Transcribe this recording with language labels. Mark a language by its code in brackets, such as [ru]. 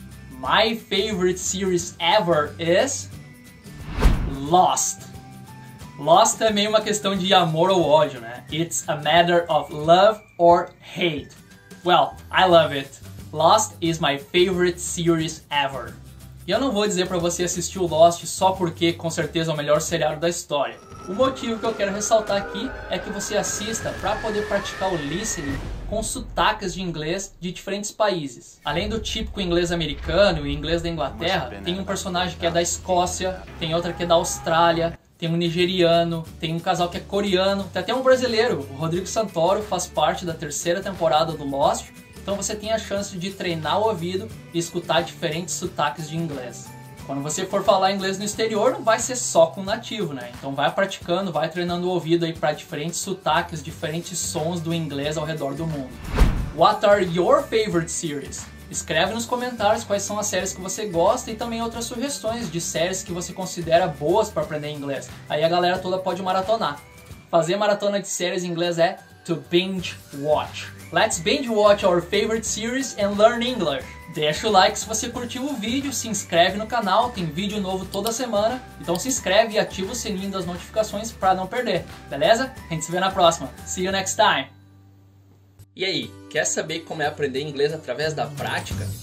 [en] My favorite series ever is... Lost. [pt] Lost é meio uma questão de amor ou ódio, né? [en] It's a matter of love or hate. Well, I love it. Lost is my favorite series ever. [pt] E eu não vou dizer pra você assistir o Lost só porque com certeza é o melhor seriado da história. O motivo que eu quero ressaltar aqui é que você assista pra poder praticar o listening com sotaques de inglês de diferentes países. Além do típico inglês americano e inglês da Inglaterra, tem um personagem que é da Escócia, tem outra que é da Austrália, tem um nigeriano, tem um casal que é coreano, tem até um brasileiro, o Rodrigo Santoro, faz parte da terceira temporada do Lost. Então você tem a chance de treinar o ouvido e escutar diferentes sotaques de inglês. Quando você for falar inglês no exterior, não vai ser só com nativo, né? Então vai praticando, vai treinando o ouvido aí para diferentes sotaques, diferentes sons do inglês ao redor do mundo. [en] What are your favorite series? [pt] Escreve nos comentários quais são as séries que você gosta e também outras sugestões de séries que você considera boas para aprender inglês. Aí a galera toda pode maratonar. Fazer maratona de séries em inglês é to binge watch. [en] Let's binge watch our favorite series and learn English. [pt] Deixa o like se você curtiu o vídeo, se inscreve no canal, tem vídeo novo toda semana. Então se inscreve e ativa o sininho das notificações para não perder, beleza? A gente se vê na próxima. [en] See you next time! [pt] E aí, quer saber como é aprender inglês através da prática?